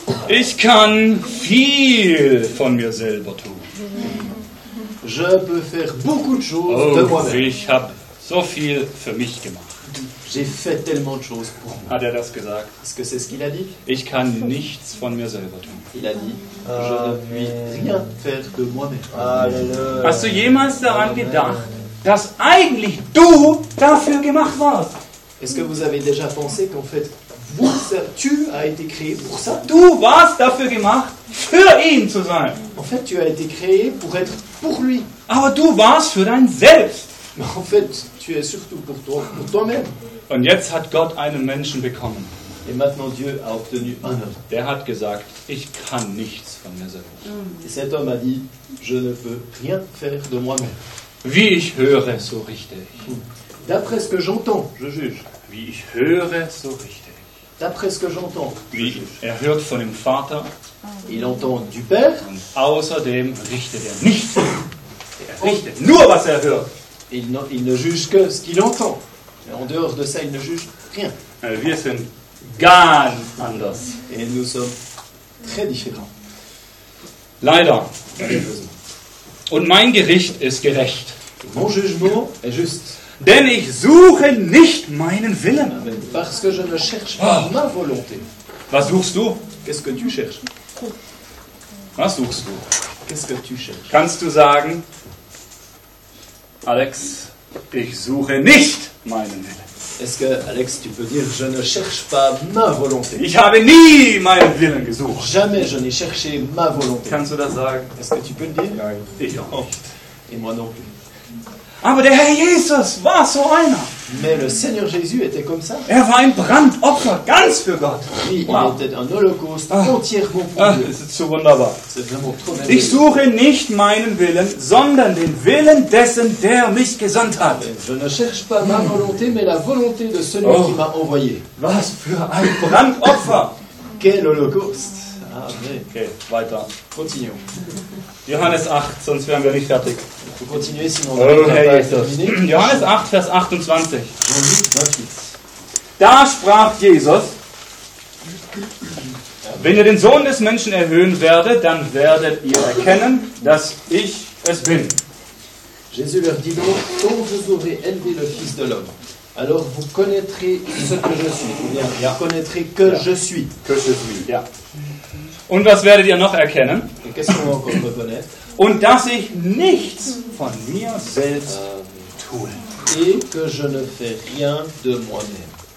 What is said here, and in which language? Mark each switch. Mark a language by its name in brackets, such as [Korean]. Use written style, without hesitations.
[German] Ich kann viel von mir selber tun. [French] Je peux faire beaucoup de choses de moi-même. [German] Ich habe so viel für mich gemacht. [French] J'ai fait tellement de choses pour moi. [German] Hat er das gesagt? [French] Est-ce que c'est ce qu'il a dit? [German] Ich kann nichts von mir selber tun. [French] Il a dit, je ne puis rien faire de moi-même. [German] Hast du jemals daran gedacht, dass eigentlich du dafür gemacht warst? [French] Est-ce que vous avez déjà pensé qu'en fait, vous, tu as été créé pour ça? [German] Du warst dafür gemacht, für ihn zu sein. [French] En fait, tu as été créé pour être pour lui. [German] Aber du warst für dein Selbst. [French] Mais en fait, tu es surtout pour toi, pour toi-même. [German] Und jetzt hat Gott einen Menschen bekommen. [French] Et maintenant, Dieu a obtenu un homme. [German] Der hat gesagt, ich kann nichts von mir selbst. [French] Et cet homme a dit, je ne peux rien faire de moi-même. [German] Wie ich höre, so richte ich. [French] D'après ce que j'entends, je juge. [German] Wie ich höre, so richte ich. [French] D'après ce que j'entends, je juge. [German] Er hört von dem Vater. [French] Il entend du Père. [German] Und außerdem richtet er nichts. Er richtet nur, was er hört. [French] Il ne juge que ce qu'il entend. Et en dehors de ça, il ne juge rien. [German] Wir sind ganz anders. [French] Et nous sommes très différents. [German] Leider. Und mein Gericht ist gerecht. [French] Mon jugement est juste. [German] Denn ich suche nicht meinen Willen. [French] Parce que je ne cherche pas ma volonté. [German] Was suchst du? [French] Qu'est-ce que tu cherches? [German] Was suchst du? [French] Qu'est-ce que tu cherches? [German] Kannst du sagen, Alex, ich suche nicht meinen Willen. [French] Est-ce que, Alex, tu peux dire, je ne cherche pas ma volonté? [German] Ich habe nie meinen Willen gesucht. [French] Jamais je n'ai cherché ma volonté. [German] Kannst du das sagen? [French] Est-ce que tu peux le dire? [German] Nein, ich auch nicht. [French] Et moi non plus. [German] Aber der Herr Jesus war so einer. [French] Mais le Seigneur Jésus était comme ça. [German] Er war ein Brandopfer, ganz für Gott. [French] Oui, wow. Il était un holocauste entièrement pour Dieu. [German] C'est so wunderbar. [French] C'est vraiment trop merveilleux. [German] Ich suche nicht meinen Willen, sondern den Willen dessen, der mich gesandt hat. [French] Je ne cherche pas ma volonté, mais la volonté de celui qui m'a envoyé. [German] Was für ein Brandopfer. [French] Quel holocauste. [German] Amen. Okay, weiter. [French] Continuons. [German] Johannes 8, sonst wären wir nicht fertig. [French] Continuez, sinon [German] Johannes 8, Vers 28. Da sprach Jesus, wenn ihr den Sohn des Menschen erhöhen werdet, dann werdet ihr erkennen, dass ich es bin. [French] Jésus leur dit donc, quand vous aurez élevé le Fils de l'homme, alors vous connaîtrez ce que je suis. Vous connaîtrez que je suis. Que je suis, ja. [German] Und was werdet ihr noch erkennen? [French] Et qu'est-ce qu'on va encore reconnaître? [German] Und dass ich nichts von mir selbst tue. [French] Et que je ne fais rien de moi-même.